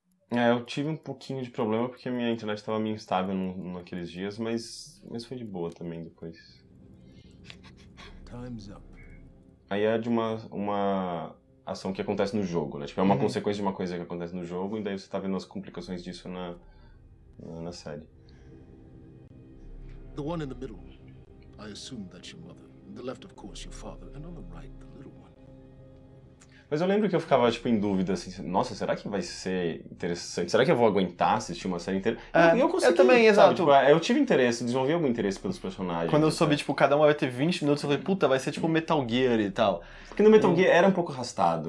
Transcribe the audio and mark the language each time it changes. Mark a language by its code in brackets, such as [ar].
[pt] Eu tive um pouquinho de problema porque minha internet tava meio instável naqueles dias, mas foi de boa também depois. [en] Time's up. [pt] Aí é de uma ação que acontece no jogo, né? Tipo, é uma consequência de uma coisa que acontece no jogo, e daí você tá vendo as complicações disso na série. [en] The one in the middle. I assume that's your mother. The left, of course, your father, and on the right, the little one. [pt] Mas eu lembro que eu ficava, tipo, em dúvida, assim, nossa, será que vai ser interessante? Será que eu vou aguentar assistir uma série inteira? Eu consegui, eu também, sabe, exato. Tipo, eu tive interesse, desenvolvi algum interesse pelos personagens. Quando eu soube, tipo, cada um vai ter 20 minutos, eu falei, puta, vai ser tipo Metal Gear e tal. Porque no Metal Gear era um pouco arrastado.